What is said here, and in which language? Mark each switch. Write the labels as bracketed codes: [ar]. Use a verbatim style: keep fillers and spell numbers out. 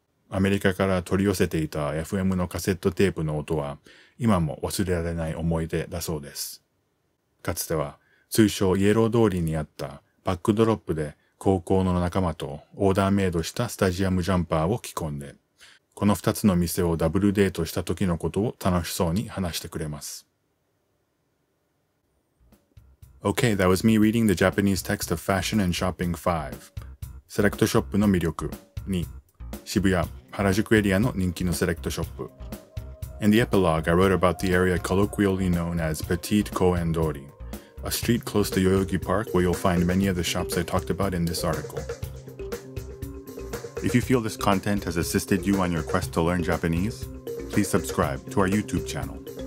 [ja] アメリカから取り寄せていた エフエム のカセットテープの音は今も忘れられない思い出だそうです。かつては通称イエロー通りにあったバックドロップで高校の仲間とオーダーメイドしたスタジアムジャンパーを着込んで、この二つの店をダブルデートした時のことを楽しそうに話してくれます。 [en] Okay, that was me reading the Japanese text of Fashion and Shopping five. [ja] セレクトショップの魅力 に. 渋谷、原宿エリアの人気のセレクトショップ。 [en] In the epilogue, I wrote about the area colloquially known as Petite Kohendori, a street close to Yoyogi Park where you'll find many of the shops I talked about in this article. If you feel this content has assisted you on your quest to learn Japanese, please subscribe to our YouTube channel.